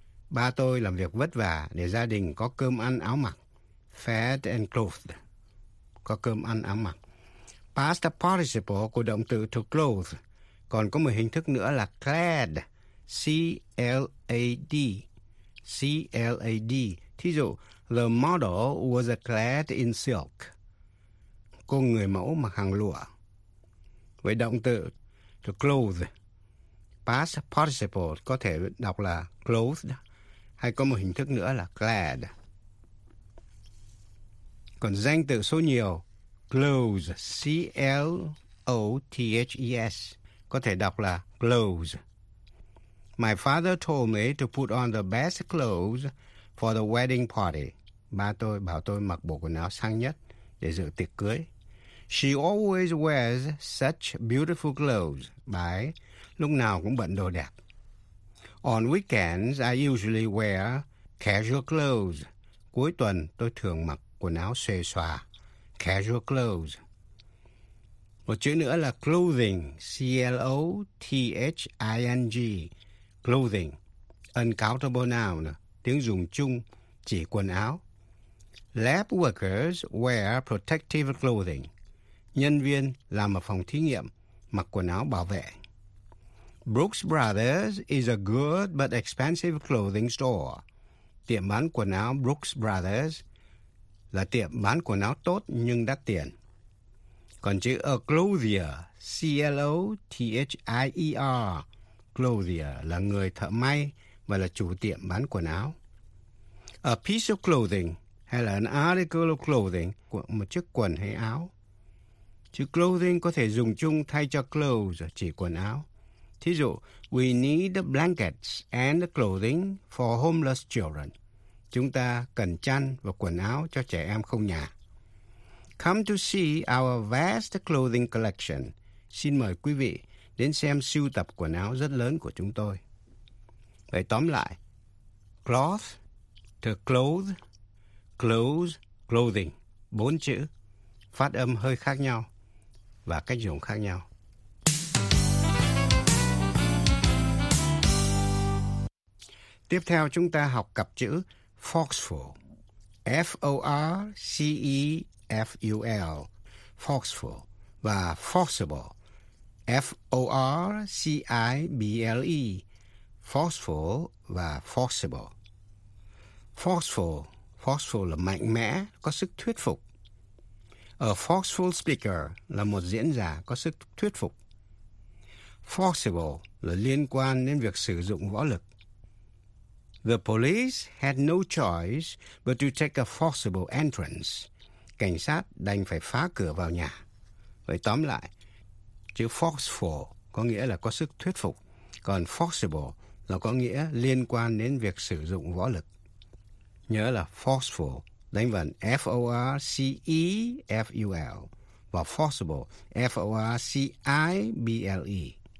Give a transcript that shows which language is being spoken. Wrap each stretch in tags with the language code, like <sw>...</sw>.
<vi>Ba tôi làm việc vất vả để gia đình có cơm ăn áo mặc.</vi> <en>Fed and clothed.</en> <vi>Có cơm ăn áo mặc. Past participle của động từ to clothe. Còn có một hình thức nữa là clad.</vi> <en>C-L-A-D. C-L-A-D.</en> <vi>Thí dụ,</vi> <en>the model was clad in silk.</en> <vi>Cô người mẫu mặc hàng lụa. Với động từ to clothe. Past participle có thể đọc là clothed. Hay có một hình thức nữa là clad. Còn danh từ số nhiều, close, C-L-O-T-H-E-S, có thể đọc là close.</vi> <en>My father told me to put on the best clothes for the wedding party.</en> <vi>Ba tôi bảo tôi mặc bộ quần áo sang nhất để dự tiệc cưới.</vi> <en>She always wears such beautiful clothes.</en> <vi>Bà ấy lúc nào cũng bận đồ đẹp.</vi> <en>On weekends, I usually wear casual clothes.</en> <vi>Cuối tuần, tôi thường mặc quần áo xuề xòa.</vi> <en>Casual clothes.</en> <vi>Một chữ nữa là clothing.</vi> <en>C-L-O-T-H-I-N-G. Clothing. Uncountable noun.</en> <vi>Tiếng dùng chung, chỉ quần áo.</vi> <en>Lab workers wear protective clothing.</en> <vi>Nhân viên làm ở phòng thí nghiệm, mặc quần áo bảo vệ.</vi> <en>Brooks Brothers is a good but expensive clothing store.</en> <vi>Tiệm bán quần áo Brooks Brothers là tiệm bán quần áo tốt nhưng đắt tiền. Còn chữ a clothier, C-L-O-T-H-I-E-R, clothier là người thợ may và là chủ tiệm bán quần áo.</vi> <en>A piece of clothing</en> <vi>hay là</vi> <en>an article of clothing,</en> <vi>một chiếc quần hay áo. Chữ clothing có thể dùng chung thay cho clothes, chỉ quần áo. Thí dụ,</vi> <en>we need blankets and clothing for homeless children.</en> <vi>Chúng ta cần chăn và quần áo cho trẻ em không nhà.</vi> <en>Come to see our vast clothing collection.</en> <vi>Xin mời quý vị đến xem sưu tập quần áo rất lớn của chúng tôi. Vậy tóm lại, cloth, to clothe, clothes, clothing, bốn chữ, phát âm hơi khác nhau và cách dùng khác nhau. Tiếp theo chúng ta học cặp chữ forceful, F-O-R-C-E-F-U-L, forceful, và forcible, F-O-R-C-I-B-L-E, forceful và forcible. Forceful, forceful là mạnh mẽ, có sức thuyết phục.</vi> <en>A forceful speaker</en> <vi>là một diễn giả có sức thuyết phục. Forcible là liên quan đến việc sử dụng võ lực.</vi> <en>The police had no choice but to take a forcible entrance.</en> <vi>Cảnh sát đành phải phá cửa vào nhà. Vậy tóm lại, chữ forceful có nghĩa là có sức thuyết phục, còn forcible là có nghĩa liên quan đến việc sử dụng võ lực. Nhớ là forceful đánh vần F-O-R-C-E-F-U-L và forcible F-O-R-C-I-B-L-E.</vi>